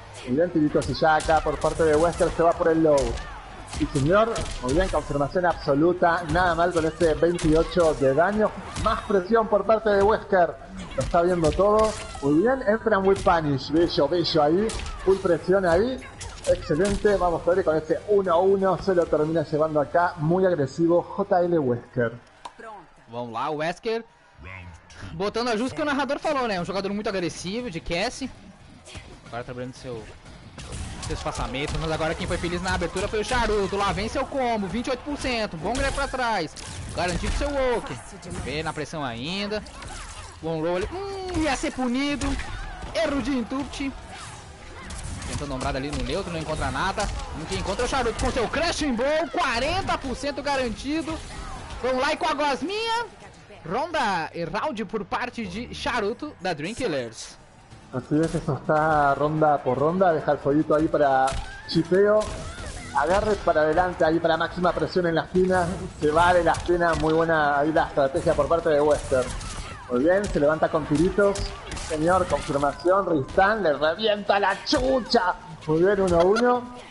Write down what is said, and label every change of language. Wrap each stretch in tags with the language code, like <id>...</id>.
<es>Muy bien, Tibicos, y ya acá por parte de Wesker se va por el low. Y señor, muy bien, confirmación absoluta, nada mal con este 28 de daño. Más presión por parte de Wesker, lo está viendo todo. Muy bien, entran</es> <en>with punish,</en> <es>bello, bello ahí, full presión ahí. Excelente, vamos a ver con este 1-1, se lo termina llevando acá, muy agresivo, JL Wesker.</es> <pt>Vamos lá, Wesker. Botando a justo que o narrador falou, né? Um jogador muito agressivo, de Cassie. Agora trabalhando seu espaçamento. Mas agora quem foi feliz na abertura foi o Charuto. Lá vem seu combo, 28%. Bom grab pra trás. Garantido seu woke. Vem na pressão ainda. Bom roll. Ia ser punido. Erro de intuit. Tentando ombrada ali no neutro, não encontra nada. Não que encontra o Charuto com seu crashing ball. 40% garantido. Vamos lá e com a gosminha, ronda e round por parte de Charuto da Drinkillers.</pt> <es>Así es, eso está ronda por ronda, deja el fueguito ahí para chipeo, agarre para adelante ahí para máxima presión en la esquina, se va de la esquina, muy buena ahí la estrategia por parte de Wester. Muy bien, se levanta con tiritos, señor, confirmación, Ristan le revienta la chucha, muy bien, 1-1.</es>